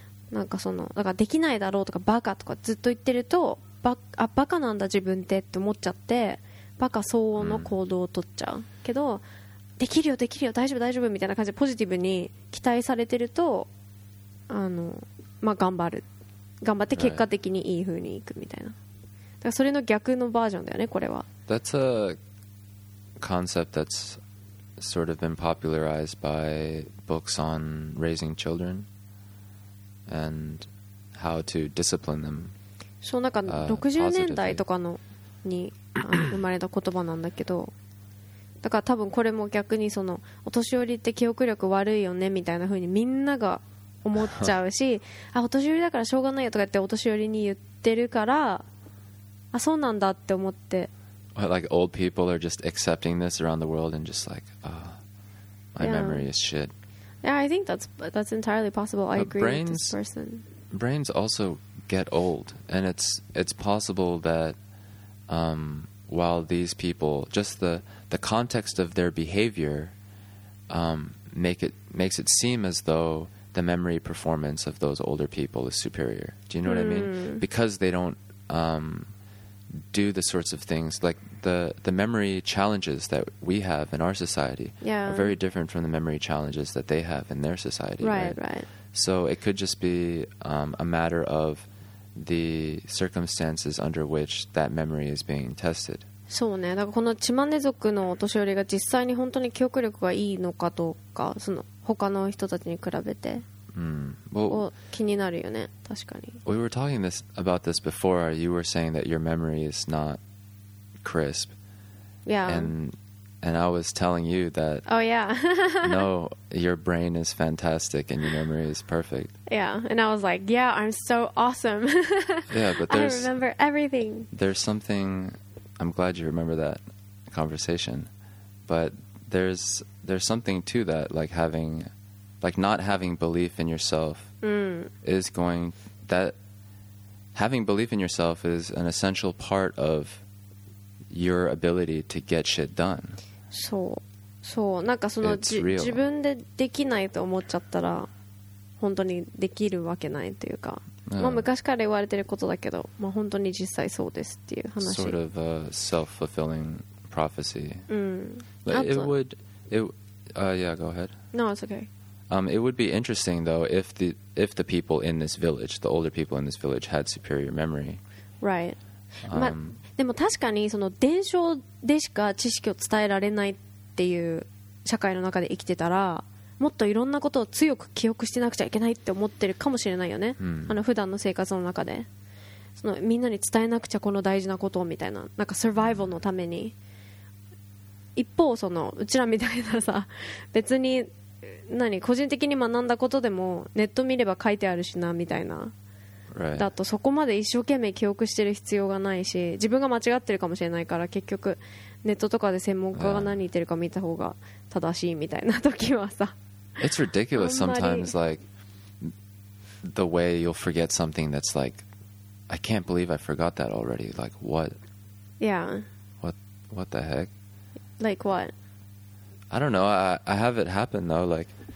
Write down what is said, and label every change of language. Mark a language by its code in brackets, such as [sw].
[ja] なんかそのだからできないだろうとかバカとかずっと言ってると、バカなんだ自分ってって思っちゃって、バカ相応の行動を取っちゃう、うん、けどできるよできるよ大丈夫大丈夫みたいな感じでポジティブに期待されてると、まあ頑張る、頑張って結果的にいい風にいくみたいな、だからそれの逆のバージョンだよねこれは。 [en] That's a concept that's sort of been popularized by books on raising children and how to discipline them。 [ja] そう、なんか60年代とかのに生まれた言葉なんだけど、だから多分これも逆にそのお年寄りって記憶力悪いよねみたいな風にみんなが思っちゃうし、あ、お年寄りだからしょうがないよとか言ってお年寄りに言ってるから、あ、そうなんだって思って、 [en] What, like old people are just accepting this around the world and just like、my、yeah. memory is shit。 Yeah, I think that's entirely possible. I agree with this person. Brains also get old, and it's possible that、while these people, just the context of their behavior、makes it seem as though the memory performance of those older people is superior. Do you know、what I mean? Because they don't、do the sorts of things, like the memory challenges that we have in our society、 yeah. are very different from the memory challenges that they have in their society. Right. So it could just be、a matter of the circumstances under which that memory is being tested. [ja] そうね、だからこのチマネ族のお年寄りが実際に本当に記憶力がいいのかどうか、その他の人たちに比べて、 [en] well, [ja] 気になるよね、確かに。 [en] We were talking this about this before. You were saying that your memory is not crisp. Yeah. And I was telling you that. Oh yeah. No, your brain is fantastic and your memory is perfect. Yeah, and I was like, yeah, I'm so awesome. Yeah, but there's. I remember everything. There's something. I'm glad you remember that conversation, but there's something to that, like having, like not having belief in yourself、is going, that having belief in yourself is an essential part of your ability to get shit done. [ja] そう、そう、なんかその自分でできないと思っちゃったら本当にできるわけないというか。まあ、昔から言われてることだけど、まあ、本当に実際そうですっていう話。 [en] Sort of a self-fulfilling prophecy. It would, yeah, go ahead. No, it's okay. It would be interesting though if the people in this village, the older people in this village, had superior memory. Right. [ja] まあ、でも確かにその伝承でしか知識を伝えられないっていう社会の中で生きてたら。もっといろんなことを強く記憶してなくちゃいけないって思ってるかもしれないよね、あの普段の生活の中でそのみんなに伝えなくちゃこの大事なことをみたいな、なんかサバイバルのために。一方そのうちらみたいなさ、別に何個人的に学んだことでもネット見れば書いてあるしなみたいな、だとそこまで一生懸命記憶してる必要がないし、自分が間違ってるかもしれないから結局ネットとかで専門家が何言ってるか見た方が正しいみたいな時はさ、 [en] It's ridiculous sometimes, like the way you'll forget something that's like, I can't believe I forgot that already. Like, what? Yeah. What the heck? Like what? I don't know. I have it happen though. Like,